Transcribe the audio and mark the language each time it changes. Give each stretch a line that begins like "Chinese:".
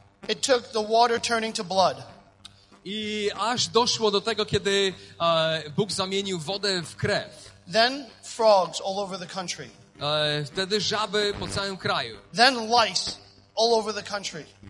English: It took the water turning to blood.
Polish: I aż doszło do tego, kiedy Bóg zamienił wodę w krew.
English: Then frogs all over the country.
Polish: Wtedy żaby po całym kraju.
English: Then lice all over the country.